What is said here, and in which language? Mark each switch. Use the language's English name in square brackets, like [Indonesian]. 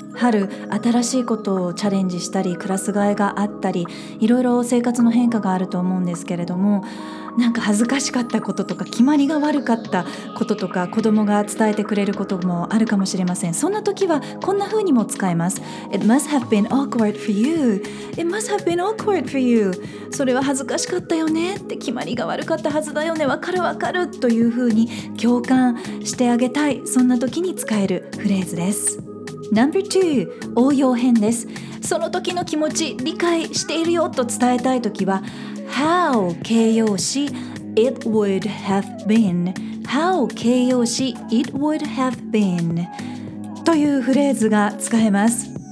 [Japanese] 春、新しいことをチャレンジしたり、クラス替えがあったり、いろいろ生活の変化があると思うんですけれども、なんか恥ずかしかったこととか、決まりが悪かったこととか、子供が伝えてくれることもあるかもしれません。そんな時はこんな風にも使えます。 [English] It must have been awkward for you. It must have been awkward for you. [Japanese] それは恥ずかしかったよねって、決まりが悪かったはずだよね、わかるわかるという風に共感してあげたい、そんな時に使えるフレーズです。 No.2 応用編です。その時の気持ち理解しているよと伝えたい時は、How 形容詞 [English] It would have been [Japanese] How 形容詞 It would have been というフレーズが使えます。